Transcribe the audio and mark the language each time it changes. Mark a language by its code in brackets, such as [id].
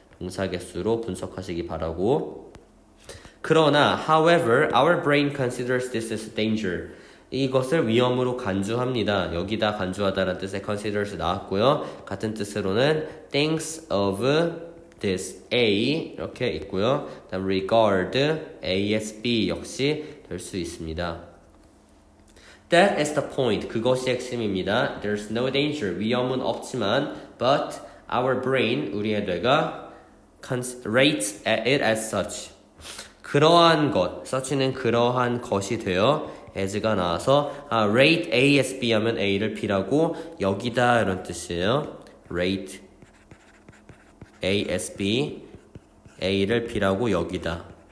[ko] 동사 개수로 분석하시기 바라고 그러나 [en] however our brain considers this as danger [ko] 이것을 위험으로 간주합니다. 여기다 간주하다라는 뜻의 considers 나왔고요. 같은 뜻으로는 thinks of this A 이렇게 있고요. 그다음 regard A as B 역시 될 수 있습니다. [en] That is the point. [ko] 그것이 핵심입니다. [en] There's no danger. [ko] 위험은 없지만 [en] but our brain [ko] 우리의 뇌가 [en] rates it as such. [ko] 그러한 것, such는 그러한 것이 되어 as가 나와서 아, rate A as B 하면 A를 B라고 여기다 이런 뜻이에요. rate A as B A를 B라고 여기다.